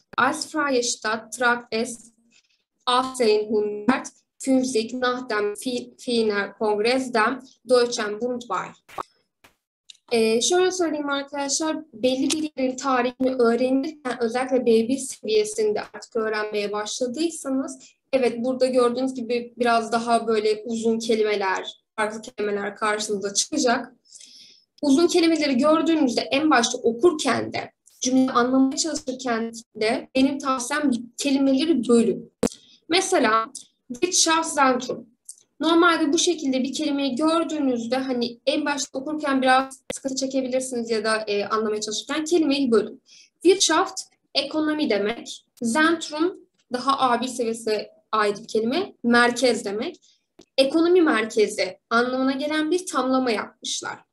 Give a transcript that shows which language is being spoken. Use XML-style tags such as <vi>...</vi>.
<de>Als freie Stadt trat es 1850 nach dem Wiener Kongress dem Deutschen Bund bei.</de> <tr>Şöyle söyleyeyim arkadaşlar, belli bir yerin tarihini öğrenirken özellikle B1 seviyesinde artık öğrenmeye başladıysanız evet burada gördüğünüz gibi biraz daha böyle uzun kelimeler, farklı kelimeler karşınıza çıkacak. Uzun kelimeleri gördüğünüzde en başta okurken de, cümle anlamaya çalışırken de benim tavsiyem kelimeleri bölün. Mesela, Wirtschaftszentrum. Normalde bu şekilde bir kelimeyi gördüğünüzde hani en başta okurken biraz sıkıntı çekebilirsiniz ya da anlamaya çalışırken kelimeyi bölün. Wirtschaft, ekonomi demek. Zentrum, daha A1 seviyesi ait bir kelime. Merkez demek. Ekonomi merkezi anlamına gelen bir tamlama yapmışlar.</tr>